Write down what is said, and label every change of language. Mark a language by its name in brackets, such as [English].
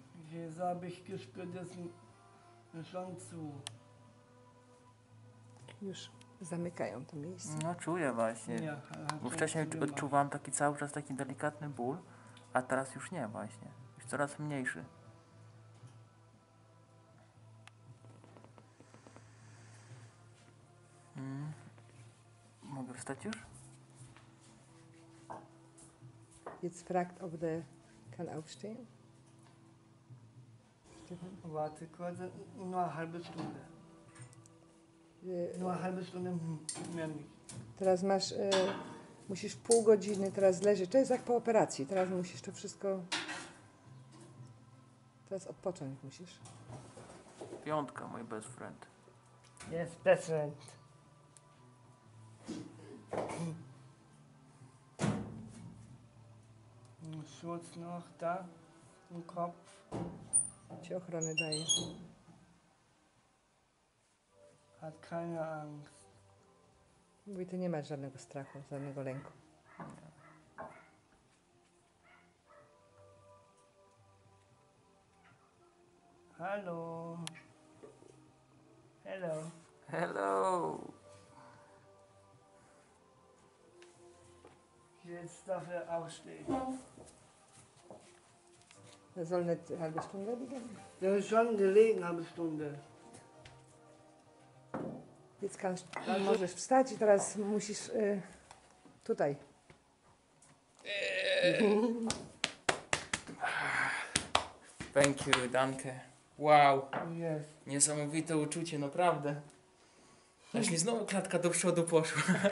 [German] Jetzt habe ich gespürt, dass schon zu. [Polish] Już zamykają to miejsce. No czuję właśnie. Bo wcześniej odczuwałem taki cały czas taki delikatny ból, a teraz już nie właśnie. Już coraz mniejszy. Mogę wstać już? [German] Jetzt fragt, ob der kann aufstehen. Warte kurz, nur eine halbe Stunde mehr nicht. [Polish] Teraz masz, musisz pół godziny teraz leżeć. To jest jak po operacji. Teraz musisz to wszystko... Teraz odpocząć musisz. Piątka, mój [English] best friend. Yes, best friend. [German] Schutz noch da im Kopf. [Polish] Ci ochronę daje. [German] Hat keine Angst. [Polish] Mówi, ty nie masz żadnego strachu, żadnego lęku. [English] Hallo. Hello. Hello. [German] Jetzt darf er aufstehen. Er soll eine halbe Stunde liegen. Er ist schon gelegen, eine halbe Stunde. Jetzt kannst du [Polish] możesz wstać i teraz musisz tutaj. [English] Thank you, [German] Danke. [English] Wow. Yes. [Polish] Niesamowite uczucie, naprawdę. Aż mi znowu klatka do przodu poszła.